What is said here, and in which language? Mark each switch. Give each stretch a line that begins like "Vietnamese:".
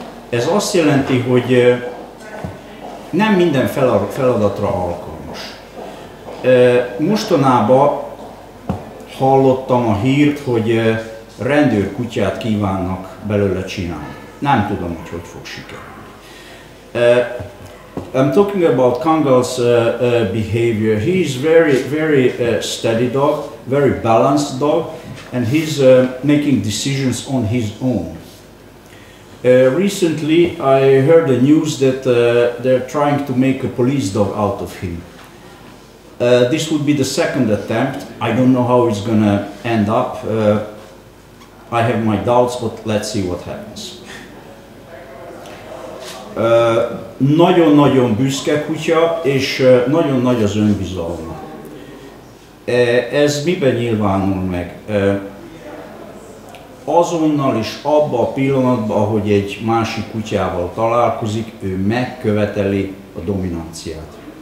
Hungarian: Ez azt jelenti, hogy nem minden feladatra alkalmas. Mostanában hallottam a hírt, hogy rendőrkutyát kívánnak belőle csinálni. Nem tudom, hogy hogy fog sikerülni.
English: I'm talking about Kangal's behavior. He is very, very steady dog, very balanced dog, and he's making decisions on his own. Recently, I heard the news that they're trying to make a police dog out of him. This would be the second attempt. I don't know how it's gonna end up. I have my doubts, but let's see what happens.
Hungarian: Nagyon-nagyon büszke kutya, és nagyon nagy az önbizalma. Ez miben nyilvánul meg? Azonnal is abba a pillanatban, ahogy egy másik kutyával találkozik, ő megköveteli a dominanciát.